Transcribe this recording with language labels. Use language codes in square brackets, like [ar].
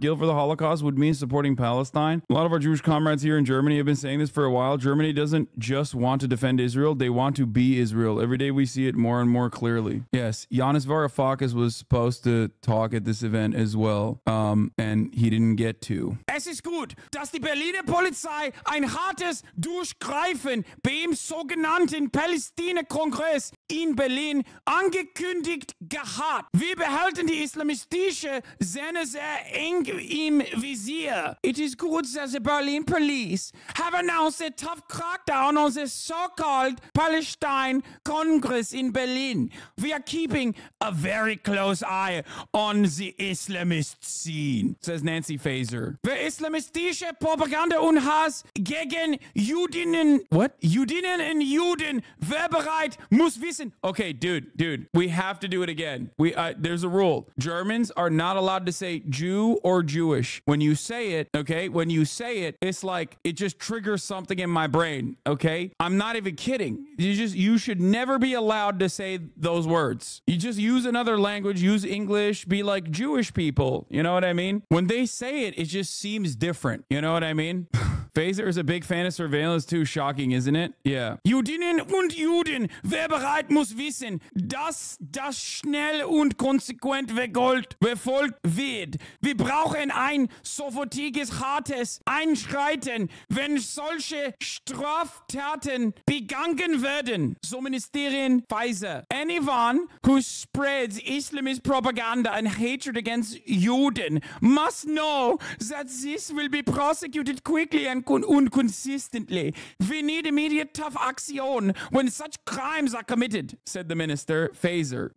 [en] Guilt for the Holocaust would mean supporting Palestine. A lot of our Jewish comrades here in Germany have been saying this for a while. Germany doesn't just want to defend Israel. They want to be Israel. Every day we see it more and more clearly. Yes, Yanis Varoufakis was supposed to talk at this event as well, and he didn't get to. [de] Es ist gut, dass die Berliner Polizei ein hartes Durchgreifen beim sogenannten Palästina Kongress in Berlin angekündigt gehabt. Wir behalten die islamistische Szene sehr eng im Visier. [en] It is good that the Berlin police have announced a tough crackdown on the so-called Palestine Congress in Berlin. We are keeping a very close eye on the Islamist scene, says Nancy Faeser. [de] Wer islamistische Propaganda und Hass gegen Judinnen... [en] What? [de] Judinnen und Juden, wer bereit muss wissen. [en] Okay, dude, we have to do it again. There's a rule. Germans are not allowed to say Jew or Jewish. When you say it, okay, when you say it, it's like, it just triggers something in my brain, okay? I'm not even kidding. You should never be allowed to say those words. You just use another language, use English, be like Jewish people. You know what I mean? When they say it, it just seems different. You know what I mean? Phaser is a big fan of surveillance too. Shocking, isn't it? Yeah. [de] Judinnen und Juden, wer bereit muss wissen, dass das schnell und konsequent vergolt, verfolgt wird. Wir brauchen ein sofortiges, hartes Einschreiten, wenn solche Straftaten begangen werden. So Ministerien Pfizer. [en] Anyone who spreads Islamist propaganda and hatred against Juden must know that this will be prosecuted quickly and unconsistently. We need immediate tough action when such crimes are committed, said the minister, Phaser.